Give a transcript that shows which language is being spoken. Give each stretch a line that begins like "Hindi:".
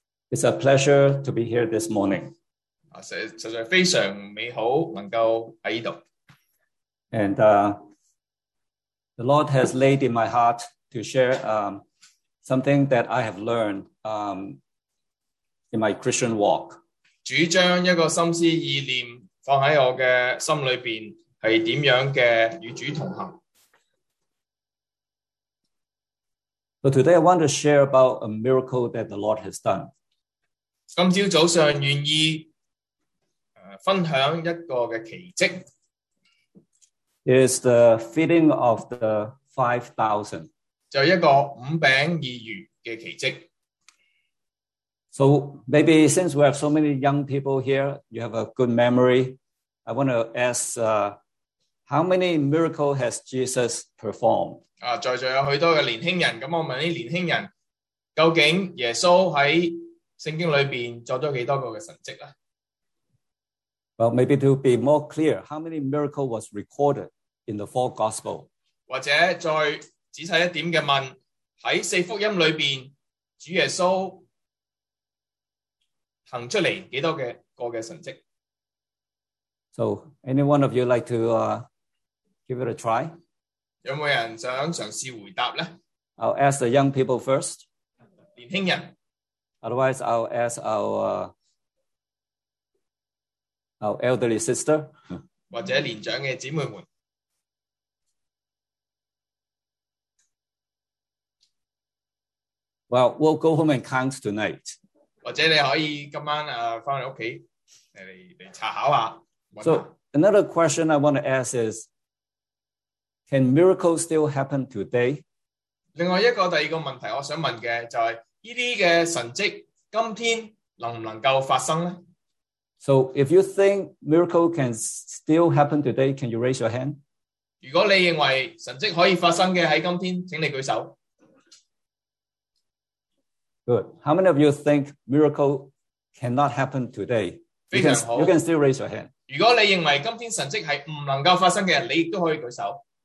English: It's a pleasure to be here this morning.
Chinese: 实在非常美好能够在这里.
English: And the Lord has laid in my heart to share something that I have learned in my Christian walk.
Chinese: 主将一个心思意念放在我的心里面. 是怎样的与主同行?
English: So today I want to share about a miracle that the Lord has done.
Chinese: 今早上愿意, 分享一个的奇迹,
English: is the feeding of the 5,000.
Chinese: 就一个五饼二鱼的奇迹.
English: So maybe since we have so many young people here, you have a good memory. I want to ask, how many miracles has Jesus performed?
Chinese: 在座有许多的年轻人, 那我问这些年轻人, 究竟耶稣在圣经里面做了多少个神迹?
English: Well, maybe to be more clear, how many miracles was recorded in the four gospels?
Chinese: 或者再仔细一点的问, 在四福音里面, 主耶稣行出来多少个神迹?
English: So, any one of you like to give it a try?
Chinese: 有没有人想尝试回答呢?
English: I'll ask the young people first.
Chinese: 年轻人.
English: Otherwise, I'll ask our elderly sister.
Chinese: 或者年长的姊妹们.
English: Well, we'll go home and count tonight.
Chinese: 或者你可以今晚, 回家来查考一下,
English: so, another question I want to ask is, can miracles still happen today?
Chinese: 另外一个第二个问题我想问的就是这些神迹今天能不能够发生呢?
English: So if you think miracle can still happen today, can you raise your hand?
Chinese: 如果你认为神迹可以发生的在今天请你举手.
English: Good. How many of you think miracle cannot happen today? You can still raise your hand.
Chinese: 如果你认为今天神迹是不能够发生的你也可以举手.